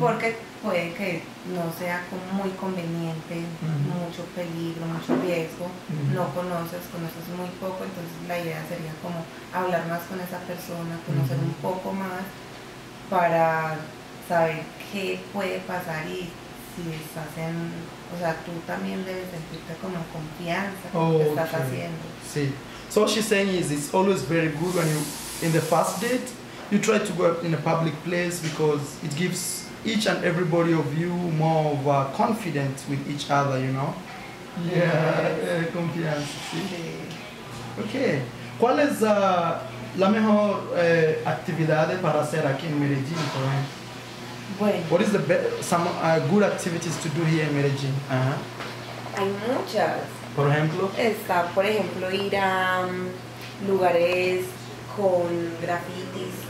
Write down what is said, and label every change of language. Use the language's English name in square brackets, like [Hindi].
[Spanish] Porque puede que no sea como muy conveniente, uh-huh, mucho peligro, mucho riesgo, uh-huh, no conoces muy poco, entonces la idea sería como hablar más con esa persona, conocer, uh-huh, un poco más para saber qué puede pasar y si estás en, o sea, tú también debes sentirte como confianza con lo que estás haciendo. Sí. [English] So what she's saying is, it's always very good when you, in the first date, you try to go in a public place because it gives each and everybody of you more of a confidence with each other, you know? [Spanish] Yeah, confianza, sí. Okay. ¿Cuál es la mejor actividad para hacer aquí en Medellín, por ejemplo? Bueno. [English] What is the good activities to do here in Medellín? [Spanish] Hay muchas. Por ejemplo. Está, por ejemplo, ir a lugares con grafitis.